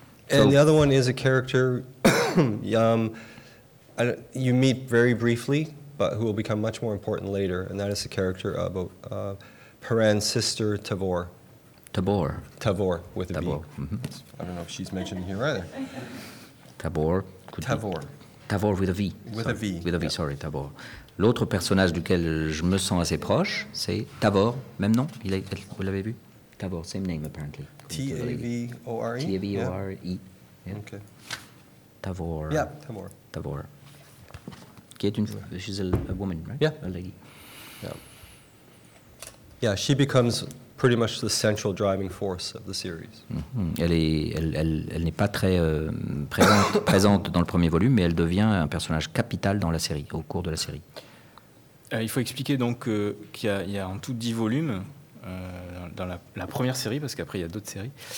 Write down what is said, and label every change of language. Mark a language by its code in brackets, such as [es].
[en] And the other one is a character you meet very briefly, but who will become much more important later, and that is the character of Perrin's sister, Tavor. Tabor. Tavor, with a Tabor. B. I don't know if she's mentioned here either. Tabor. Tavor. Tavor with a V. With sorry. A V. With a V, yeah. Sorry, Tabor. [fr] L'autre personnage duquel je me sens assez proche, c'est Tabor, même nom, vous l'avez vu? [en] Tabor, same name apparently. T-A-V-O-R-E? T-A-V-O-R-E. Yeah. Yeah. Okay. Tavor. Yeah, Tabor. Tavor. [fr] Qui est [en] she's a woman, right? Yeah. A lady. Yeah. Yeah, she becomes pretty much the central driving force of the series. [fr] Elle n'est pas très présente dans le premier volume, mais elle devient un personnage capital dans la série, au cours de la série. Il faut expliquer donc qu'il y a en tout 10 volumes dans la première série, parce qu'après il y a d'autres séries.